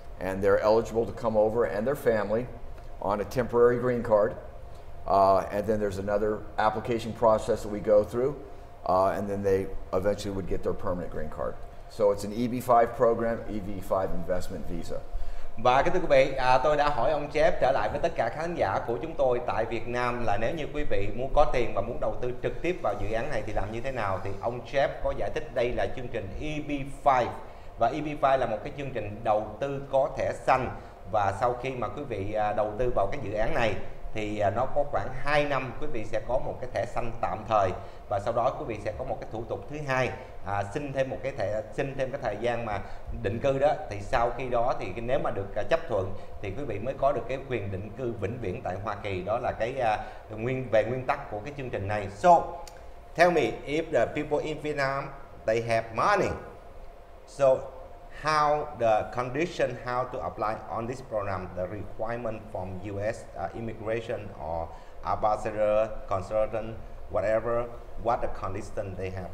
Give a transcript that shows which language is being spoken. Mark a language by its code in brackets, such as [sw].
[en] And they're eligible to come over and their family on a temporary green card. And then there's another application process that we go through. And then they eventually would get their permanent green card. So it's an EB-5 program, EB-5 investment visa. [vi] Và kính thưa quý vị, tôi đã hỏi ông Jeff trở lại với tất cả khán giả của chúng tôi tại Việt Nam là nếu như quý vị muốn có tiền và muốn đầu tư trực tiếp vào dự án này thì làm như thế nào? Thì ông Jeff có giải thích đây là chương trình EB-5. Và EB-5 là một cái chương trình đầu tư có thẻ xanh. Và sau khi mà quý vị đầu tư vào cái dự án này thì nó có khoảng 2 năm quý vị sẽ có một cái thẻ xanh tạm thời. Và sau đó quý vị sẽ có một cái thủ tục thứ hai, xin thêm cái thời gian mà định cư đó. Thì sau khi đó thì nếu mà được chấp thuận thì quý vị mới có được cái quyền định cư vĩnh viễn tại Hoa Kỳ. Đó là cái nguyên tắc của cái chương trình này. [en] So, tell me if the people in Vietnam, they have money. So, how the condition, how to apply on this program, the requirement from U.S. Immigration or ambassador, consultant, whatever, what the condition they have?